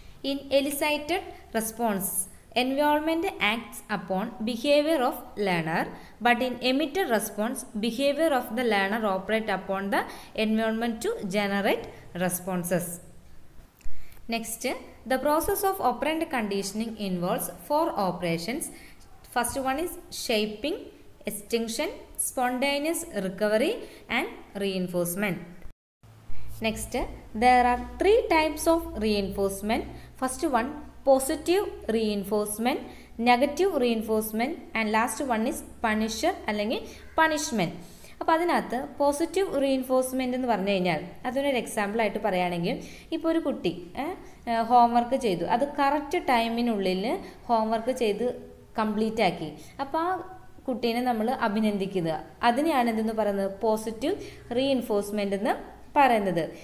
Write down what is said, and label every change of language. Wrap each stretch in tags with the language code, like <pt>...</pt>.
<en>In elicited response environment acts upon behaviour of learner, but in emitted response behaviour of the learner operate upon the environment to generate responses. Next, the process of operant conditioning involves four operations. First one is shaping, extinction, spontaneous recovery and reinforcement. Next, there are three types of reinforcement. First one, positive reinforcement, negative reinforcement, and last one is punisher</en> <ml>allengi</ml> <en>punishment.</en> <ml>അപ്പോൾ അതിനകത്ത് positive reinforcement എന്ന് പറഞ്ഞു കഴിഞ്ഞാൽ അതിനൊരു example ആയിട്ട് പറയുകയാണെങ്കിൽ ഇപ്പോൾ ഒരു കുട്ടി ഹോംവർക്ക് ചെയ്തു, അത് കറക്റ്റ് ടൈമിനുള്ളിൽ ഹോംവർക്ക് ചെയ്ത് കംപ്ലീറ്റ് ആക്കി, അപ്പോൾ ആ കുട്ടീനെ നമ്മൾ അഭിനന്ദിക്കുക, അതിനെയാണ് എന്തെന്ന് പറയുന്നത്, പോസിറ്റീവ് റീഇൻഫോഴ്സ്മെൻ്റ് എന്ന് പറയുന്നത്.</ml>